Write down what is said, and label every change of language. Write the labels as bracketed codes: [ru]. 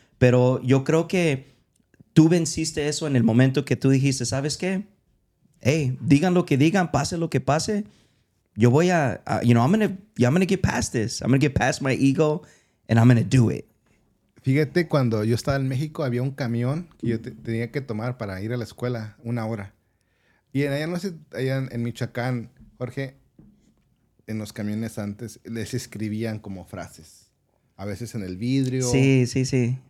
[es] Pero yo creo que tú venciste eso en el momento que tú dijiste, ¿sabes qué? Hey, digan lo que digan, pase lo que pase. Yo voy a, [en] you know, I'm gonna get past this. I'm gonna get past my ego and I'm gonna do it. [es] Fíjate, cuando yo estaba en México, había un camión que yo tenía que tomar para ir a la escuela una hora. Y en allá, no sé, allá en Michoacán, Jorge, en los camiones antes, les escribían como frases. A veces en el vidrio. Sí, sí, sí.